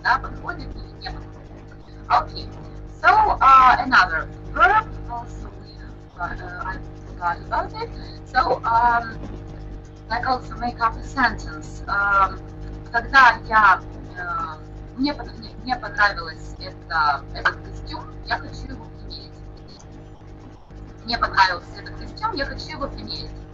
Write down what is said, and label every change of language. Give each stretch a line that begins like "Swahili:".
Russian: Да, подходит или не подходит.
English: Okay, so another verb, also we forgot about it. So, like also make up a sentence.
Russian: Когда я мне понравилось этот костюм, я хочу его примерить. Мне понравился этот костюм, я хочу его примерить.